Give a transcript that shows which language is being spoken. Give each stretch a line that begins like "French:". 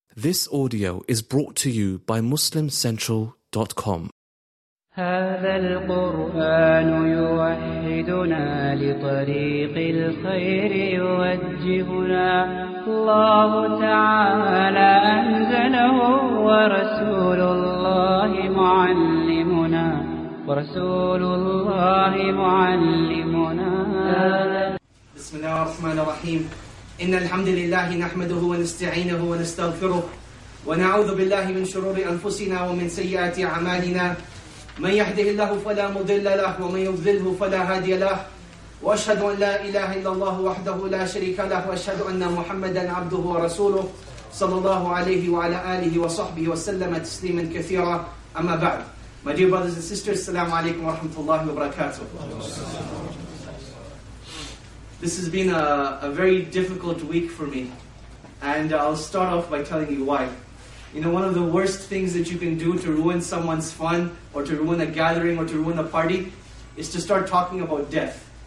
English: This audio is brought to you by MuslimCentral.com.
Arabic: هذا القرآن يوحدنا لطريق الخير يوجهنا الله تعالى أنزله ورسول الله معلمنا ورسول الله معلمنا. بسم الله الرحمن الرحيم. إن الحمد لله نحمده ونستعينه ونستغفره ونعوذ بالله من شرور أنفسنا ومن سيئات أعمالنا. من يهده الله فلا مضل له ومن يضلله فلا هادي له. وأشهد أن لا إله إلا الله وحده لا شريك له وأشهد أن محمدا عبده ورسوله صلى الله عليه وعلى آله وصحبه وسلم تسليما كثيرا. أما بعد.
English: My dear brothers and sisters,
Arabic: السلام عليكم ورحمة الله وبركاته.
English: This has been a very difficult week for me, and I'll start off by telling you why. You know, one of the worst things that you can do to ruin someone's fun, or to ruin a gathering, or to ruin a party, is to start talking about death.